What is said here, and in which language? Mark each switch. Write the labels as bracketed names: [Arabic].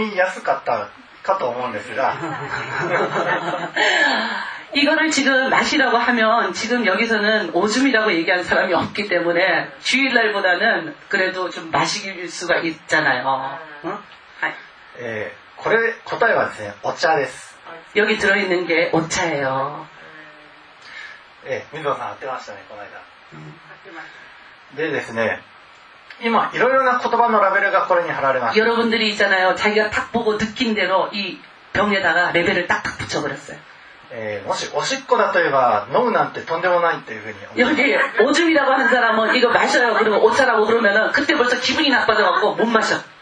[Japanese] そういうわけで飲んでくださいって言えばこの間よりかは少し飲みやすかったかと思うんですが。 [Korean] 이거를 지금 마시라고 하면 지금 여기서는 오줌이라고 얘기한 사람이 없기 때문에 주일날보다는 그래도 좀 마시길 수가 있잖아요. 응? 네. [Japanese] 예, 答えはですね, 오차です. [Korean] 여기 들어있는 게 오차예요. [Japanese] 예, 민도さん 合ってましたね, この間.合ってました. 今、いろいろな言葉のラベルがこれに貼られました。 [Korean] 여러분들이 있잖아요. 자기가 딱 보고 느낀 대로 이 병에다가 레벨을 딱딱 붙여버렸어요. [Japanese] もしおしっこだといえば飲むなんてとんでもないっていうふうに思います。 [Korean] 여기 오줌이라고 하는 사람은 이거 마셔요 그리고 오차라고 그러면은 그때 벌써 기분이 나빠져갖고 못 마셔.